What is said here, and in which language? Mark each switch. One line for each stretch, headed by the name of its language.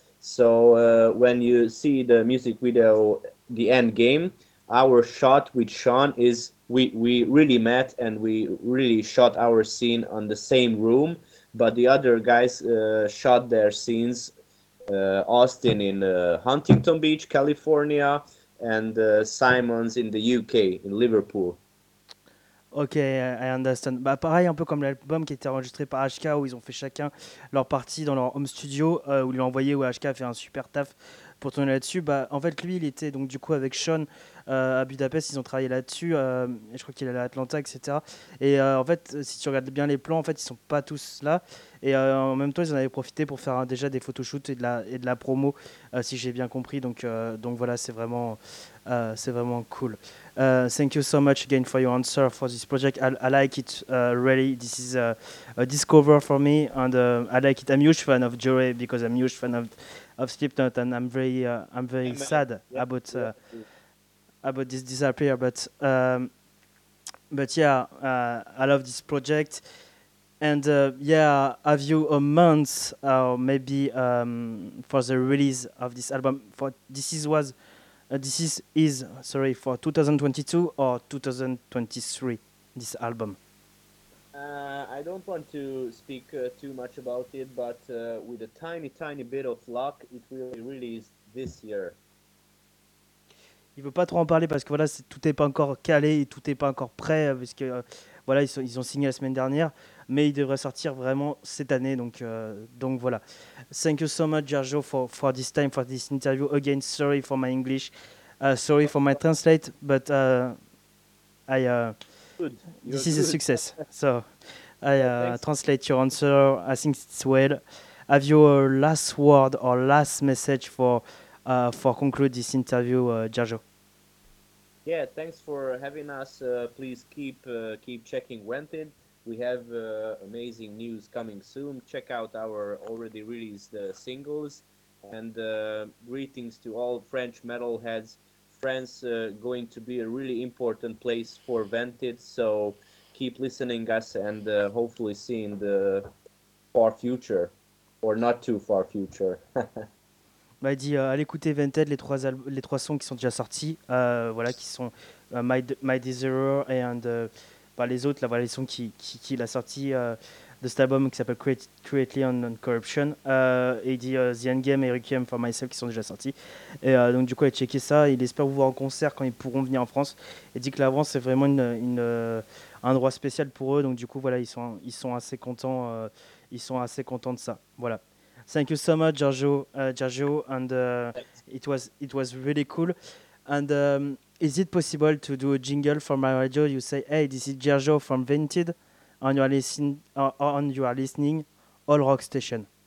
English: So when you see the music video, The End Game, our shot with Sean is we really met and we really shot our scene on the same room. But the other guys shot their scenes, Austin in Huntington Beach, California, and Simons in the UK, in Liverpool. Ok, I understand.
French: Bah, pareil, un peu comme l'album qui a été enregistré par HK, où ils ont fait chacun leur partie dans leur home studio, où ils l'ont envoyé, où HK a fait un super taf pour tourner là-dessus. Bah, en fait, lui, il était donc du coup avec Sean à Budapest, ils ont travaillé là-dessus, et je crois qu'il est à Atlanta, etc. Et en fait, si tu regardes bien les plans, en fait, ils sont pas tous là. Et en même temps, ils en avaient profité pour faire déjà des photoshoots et de la promo, si j'ai bien compris. Donc voilà, c'est vraiment cool.
English: Thank you so much again for your answer for this project. I like it really. This is a discover for me, and I like it. I'm a huge fan of Jory because I'm a huge fan of Slipknot, and I'm very sad about this disappear. But I love this project. And have you a month or maybe for the release of this album? This is 2022 or 2023, this album? I don't want to speak too much about it, but with a tiny, tiny bit of luck, it will be released this year.
French: Il veut pas trop en parler parce que voilà, tout est pas encore calé et tout est pas encore prêt parce que voilà, ils ont signé la semaine dernière, mais il devrait sortir vraiment cette année. Donc voilà.
English: Thank you so much, Giorgio, for this time, for this interview. Again, sorry for my English, sorry for my translate, but this is good. A success. So translate your answer. I think it's well. Have you a last word or last message for conclude this interview, Giorgio? Yeah, thanks for having us. Please keep checking Wanted. We have amazing news coming soon. Check out our already released singles. And greetings to all French metalheads. France going to be a really important place for Wanted. So keep listening us and hopefully see in the far future or not too far future.
French: Il m'a dit, allez écouter Vented, les trois sons qui sont déjà sortis, voilà, qui sont My Desire et les autres, là, voilà, les sons qui l'a sorti de cet album qui s'appelle Creatively on Corruption. Et il dit The Endgame et Requiem for Myself qui sont déjà sortis. Et donc du coup, il a checké ça, il espère vous voir en concert quand ils pourront venir en France. Il dit que la France, c'est vraiment un droit spécial pour eux, donc du coup, voilà, ils sont assez contents de ça. Voilà.
English: Thank you so much, Giorgio, and it was really cool. And is it possible to do a jingle for my radio? You say, "Hey, this is Giorgio from Vented, and you are listening, All Rock Station."